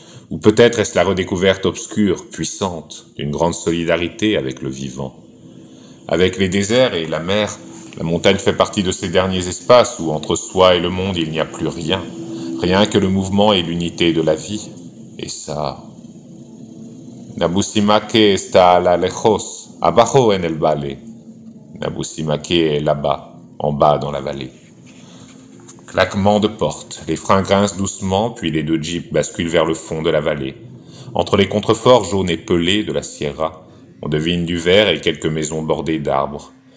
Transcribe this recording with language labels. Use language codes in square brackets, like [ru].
[fr] Ou peut-être est-ce la redécouverte obscure, puissante, d'une grande solidarité avec le vivant. Avec les déserts et la mer, la montagne fait partie de ces derniers espaces où entre soi et le monde il n'y a plus rien. Rien que le mouvement et l'unité de la vie. Et ça... [es] Nabusimake está a la lejos, abajo en el valle. [fr] Nabusimake est là-bas, en bas dans la vallée. Claquement de porte, les freins grincent doucement, puis les deux jeeps basculent vers le fond de la vallée. Entre les contreforts jaunes et pelés de la Sierra, on devine du vert et quelques maisons bordées d'arbres.